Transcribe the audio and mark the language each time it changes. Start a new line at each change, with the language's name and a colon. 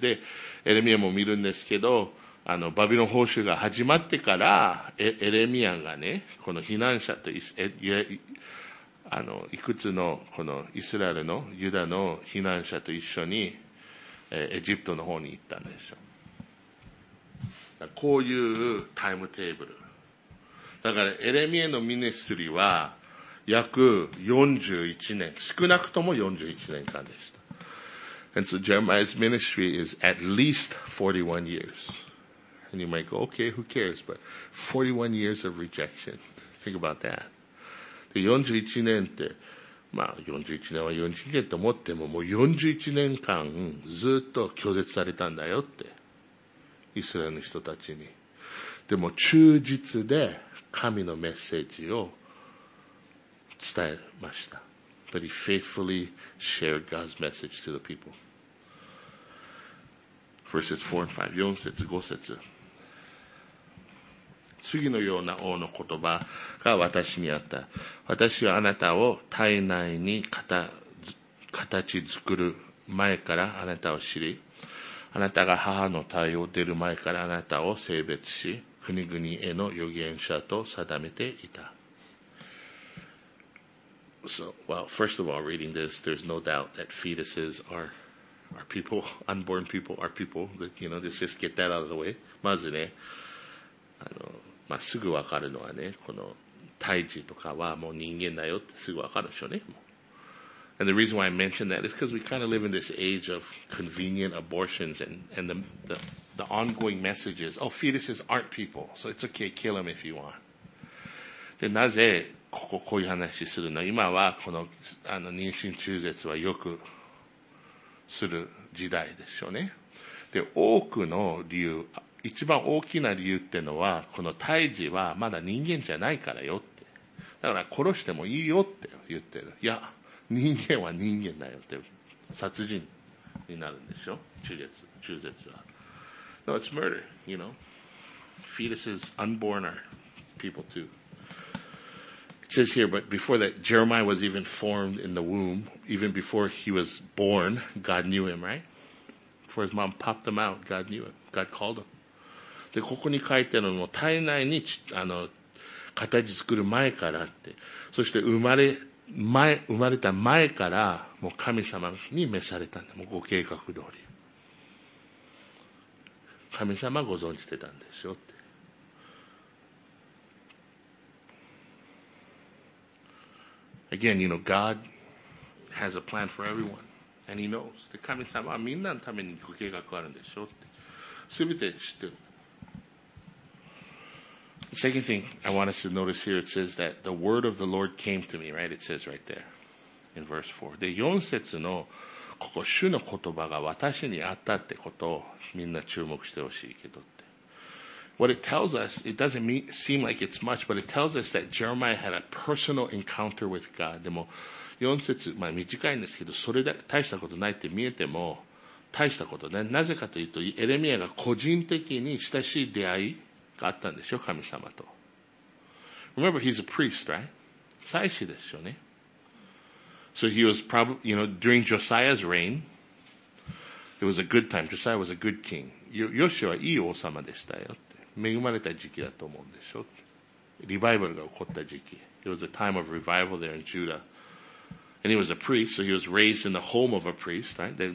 Japanese: で、エレミアも見るんですけど、あの、バビロン捕囚が始まってから、エレミアがね、この避難者と、あの、いくつの、このイスラエルの、ユダの避難者と一緒に、エジプトの方に行ったんですよ。こういうタイムテーブル。だから、エレミアのミネストリーは、約41年、少なくとも41年間でした。
English: And so Jeremiah's ministry is at least 41 years. And you might go, okay, who cares? But 41 years of rejection. Think about that.
Japanese: で、41年って、まあ41年は41年と思っても、もう41年間ずっと拒絶されたんだよって。イスラエルの人たちに。でも忠実で神のメッセージを伝えました。
English: But he faithfully shared God's message to the people. Verses 4 and 5.
Japanese: 4節、5節。次のような王の言葉が私にあった。私はあなたを体内に形作る前からあなたを知り、あなたが母の胎を出る前からあなたを性別し、国々への預言者と定めていた。
English: So, well, first of all, reading this, there's no doubt that fetuses are people, unborn people are people. But, you know, let's just get that out of the way.
Japanese: まずね、あの、まあ、すぐわかるのはね、この胎児とかはもう人間だよってすぐわかるでしょうね。
English: And the reason why I mention that is because we kind of live in this age of convenient abortions and the ongoing message is, oh, fetuses aren't people, so it's okay, kill them if you want.
Japanese: で、なぜ、こういう話するの。今は、この、あの、妊娠中絶はよくする時代でしょうね。で、多くの理由、一番大きな理由ってのは、この胎児はまだ人間じゃないからよって。だから殺してもいいよって言ってる。いや、人間は人間だよって。殺人になるんでしょ。中絶は。
English: No, it's murder, you know. Fetuses unborn are people too. It says here, but before that, Jeremiah was even formed in the womb, even before he was born, God knew him, right? Before his mom popped him out, God knew him. God called him.
Japanese: で、ここに書いてるのも、体内に、あの、形作る前からって。そして、生まれた前から、もう神様に召されたんだ。もうご計画通り。神様ご存知してたんですよって。
English: Again, you know, God has a plan for everyone. And he knows.
Japanese: で、神様はみんなのためにご計画があるんでしょって。すべて知ってる。
English: The second thing I want us to notice here, it says that the word of the Lord came to me, right? It says right there in verse 4.
Japanese: で、4節のここ主の言葉が私にあったってことをみんな注目してほしいけどって。
English: What it tells us, it doesn't seem like it's much, but it tells us that Jeremiah had a personal encounter with God.
Japanese: でも4節、まあ短いんですけど、それだ大したことないって見えても大したことね。なぜかというと、エレミアが個人的に親しい出会いがあったんでしょ、神様と。
English: Remember, he's a priest, right?
Japanese: 祭司ですよね。
English: So he was probably, you know, during Josiah's reign, it was a good time. Josiah was a good king.
Japanese: ヨシュアはいい王様でしたよって。恵まれた時期だと思うんでしょ。リバイバルが起こった時期。
English: It was a time of revival there in Judah. And he was a priest, so he was raised in the home of a priest, right?